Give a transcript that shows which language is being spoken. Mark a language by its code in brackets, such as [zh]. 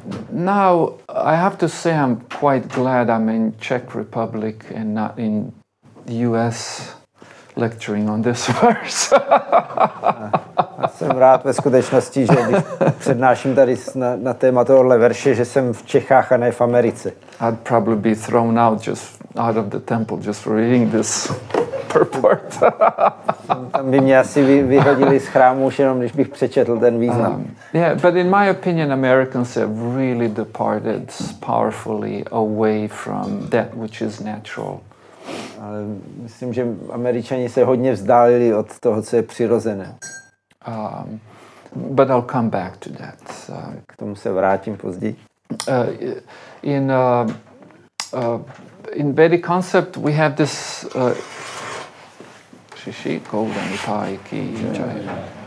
[en] Now I have to say I'm quite glad I'm in Czech Republic and not in the US lecturing on this verse. [cs] Já jsem rád ve skutečnosti, že když přednáším tady na téma tohohle verše, že jsem v Čechách a ne v Americe. [en] I'd probably be thrown out of the temple just for reading this. [cs] Tam by mě asi vyhodili z chrámu, jenom když bych přečetl ten význam. [en] Yeah, but in my opinion, Americans have really departed powerfully away from that which is natural. [cs] Ale myslím, že Američani se hodně vzdálili od toho, co je přirozené. [en] But I'll come back to that. [cs] K tomu se vrátím později. [en] In Vedic concept, we have this. Shishi, Kovdani, Paiki, Jaya.